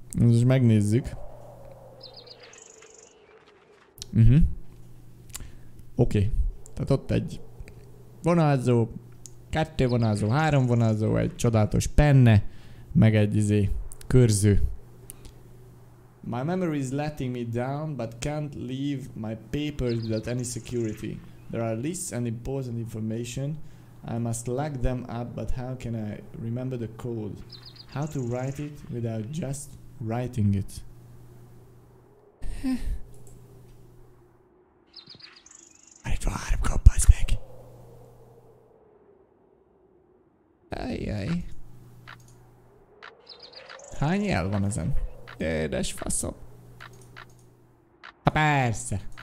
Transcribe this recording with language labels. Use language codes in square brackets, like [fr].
[hu] Most megnézzük. Oké. Tehát ott egy vonalzó, kettő vonalzó, három vonalzó, egy csodálatos penne, meg egy izé körző. [en] My memory is letting me down, but can't leave my papers without any security. There are lists and important information. I must lock them up, but how can I remember the code? How to write it without just writing it? [hu] Itt van három kapp, az meg! Ajjaj! Hány jel van ezen? Édes faszom! Ha persze!